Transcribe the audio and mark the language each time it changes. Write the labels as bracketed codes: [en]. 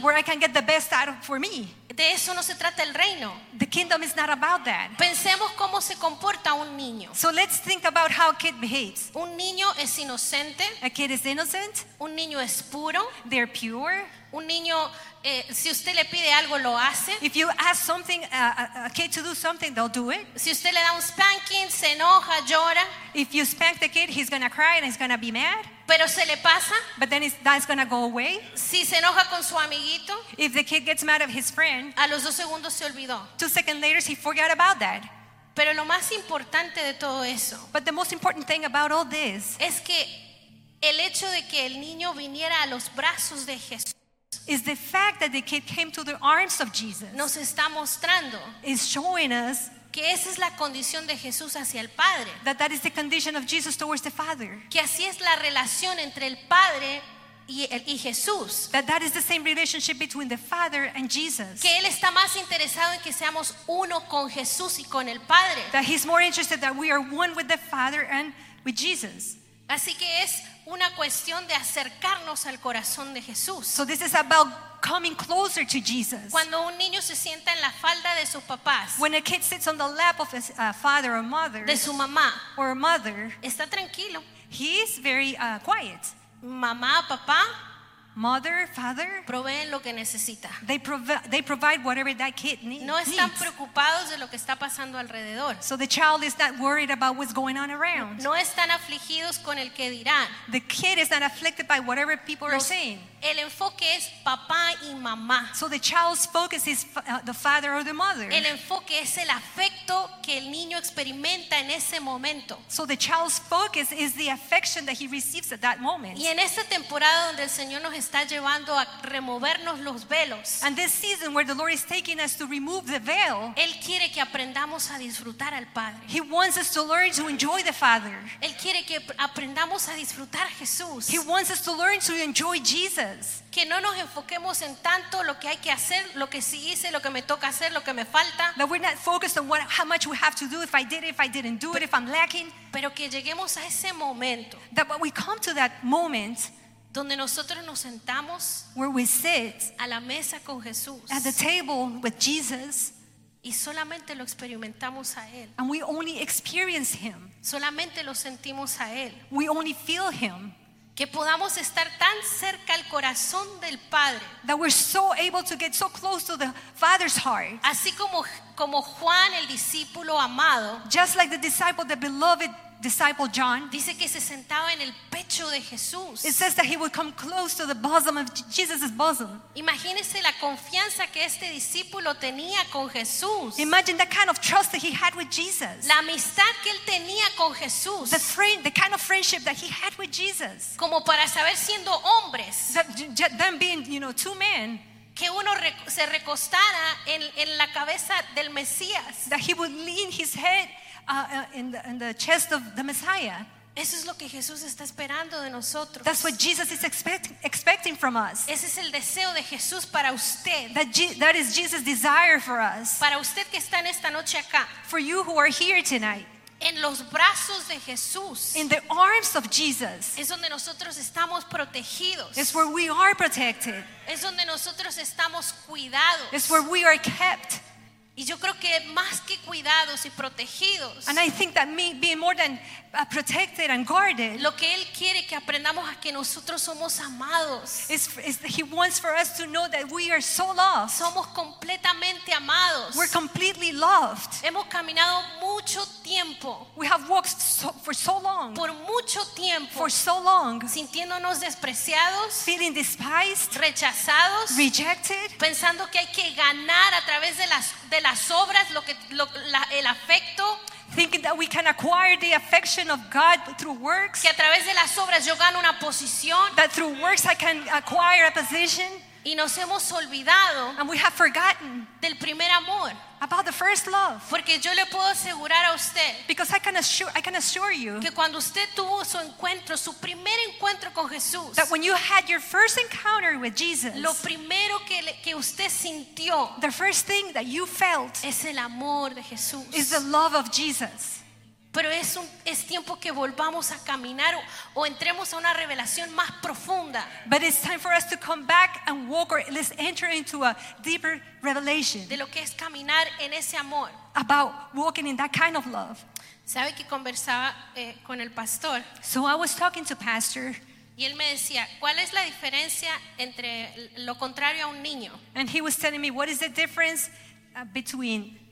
[en] Where I can get the best out of for me. [es] De eso no se trata el reino. [en] The kingdom is not about that. [es] Pensemos cómo se comporta un niño. [en] So let's think about how a kid behaves. [es] Un niño es inocente. [en] A kid is innocent. [es] Un niño es puro. [en] They're pure. [es] Un niño, si usted le pide algo, lo hace. [en] If you ask something a kid to do something, they'll do it. [es] Si usted le da un spanking, se enoja, llora. [en] If you spank the kid, he's gonna cry and he's gonna be mad. [es] Pero se le pasa. [en] But then that's gonna go away. [es] Si se enoja con su amiguito. [en] If the kid gets mad at his friend. [es] A los 2 segundos se olvidó. [en] 2 seconds later, he forgot about that. [es] Pero lo más importante de todo eso. [en] But the most important thing about all this. [es] Es que el hecho de que el niño viniera a los brazos de Jesús. [en] Is the fact that the kid came to the arms of Jesus. [es] Nos está mostrando. [en] Is showing us. [es] Que esa es la condición de Jesús hacia el Padre. [en] That is the condition of Jesus towards the Father. [es] Que así es la relación entre el Padre y Jesús. [en] That is the same relationship between the Father and Jesus. [es] Que él está más interesado en que seamos uno con Jesús y con el Padre. [en] That he's more interested that we are one with the Father and with Jesus. [es] Así que es una cuestión de acercarnos al corazón de Jesús. [en] So this is about coming closer to Jesus. [es] Cuando un niño se sienta en la falda de sus papás. [en] When a kid sits on the lap of his father or mother. [es] De su mamá. [en] Or mother. [es] Está tranquilo. [en] He is very quiet. [es] Mamá, papá. [en] Mother, father. [es] Proveen lo que necesita. [en] They provide whatever that kid needs. [es] No están preocupados de lo que está pasando alrededor. [en] So the child is not worried about what's going on around. [es] No están afligidos con el que dirán. [en] The kid is not afflicted by whatever people are saying. [es] El enfoque es papá y mamá. [en] So the child's focus is the father or the mother. [es] El enfoque es el afecto que el niño experimenta en ese momento. [en] So the child's focus is the affection that he receives at that moment. [es] Y en esta temporada donde el Señor nos está llevando a removernos los velos. [en] And this season where the Lord is taking us to remove the veil. [es] Él quiere que aprendamos a disfrutar al Padre. [en] He wants us to learn to enjoy the Father. [es] Él quiere que aprendamos a disfrutar a Jesús. [en] He wants us to learn to enjoy Jesus. [es] Que no nos enfoquemos en tanto lo que hay que hacer, lo que sí hice, lo que me toca hacer, lo que me falta. [en] That we're not focused on what, how much we have to do, if I did it, if I didn't do it, if I'm lacking. [es] Pero que lleguemos a ese momento. [en] That when we come to that moment. [es] Donde nosotros nos sentamos. [en] Where we sit. [es] A la mesa con Jesús. [en] At the table with Jesus. [es] Y solamente lo experimentamos a Él. [en] And we only experience Him. [es] Solamente lo sentimos a Él. [en] We only feel Him. [es] Que podamos estar tan cerca al corazón del Padre. [en] That we're so able to get so close to the Father's heart. [es] Así como Juan, el discípulo amado. [en] Just like the disciple, the beloved disciple John. [es] Dice que se sentaba en el pecho de Jesús. [en] It says that he would come close to the bosom of Jesus' bosom. [es] Imagínese la confianza que este discípulo tenía con Jesús. [en] Imagine the kind of trust that he had with Jesus. [es] La amistad que él tenía con Jesús. [en] The kind of friendship that he had with Jesus. [es] Como para saber siendo hombres. [en] Them being, you know, two men. [es] Que uno se recostara en la cabeza del Mesías. [en] That he would lean his head in the chest of the Messiah. [es] Eso es lo que Jesús está esperando de nosotros. [en] That's what Jesus is expecting from us. [es] Ese es el deseo de Jesús para usted. [en] That is Jesus' desire for us. [es] Para usted que está en esta noche acá. [en] For you who are here tonight. [es] En los brazos de Jesús. [en] In the arms of Jesus. [es] Es donde nosotros estamos protegidos. [en] It's where we are protected. [es] Es donde nosotros estamos cuidados. [en] It's where we are kept. [es] Y yo creo que más que cuidados y protegidos. [en] And I think that me being more than protected and guarded. [es] Lo que él quiere que aprendamos es que nosotros somos amados. [en] Is he wants for us to know that we are so loved. [es] Somos completamente amados. [en] We're completely loved. [es] Hemos caminado mucho tiempo. [en] We have walked for so long. [es] Por mucho tiempo. [en] For so long. [es] Sintiéndonos despreciados. [en] Feeling despised. [es] Rechazados. [en] Rejected. [es] Pensando que hay que ganar a través de las obras el afecto. [en] Thinking that we can acquire the affection of God through works. [es] Que a través de las obras yo gano una posición. [en] That through works I can acquire a position. [es] Y nos hemos olvidado. [en] And we have forgotten. [es] Del primer amor. [en] About the first love. [es] Porque yo le puedo asegurar a usted. [en] Because I can assure you. [es] Que cuando usted tuvo su encuentro, su primer encuentro con Jesús. [en] That when you had your first encounter with Jesus. [es] Lo primero que usted sintió. [en] The first thing that you felt. [es] Es el amor de Jesús. [en] Is the love of Jesus. [es] Pero es tiempo que volvamos a caminar o entremos a una revelación más profunda. [en] But it's time for us to come back and walk, or let's enter into a deeper revelation. [es] De lo que es caminar en ese amor. [en] About walking in that kind of love. [es] Sabe que conversaba con el pastor. [en] So I was talking to pastor. [es] Y él me decía, ¿cuál es la diferencia entre lo contrario a un niño? [en] And he was telling me, what is the difference between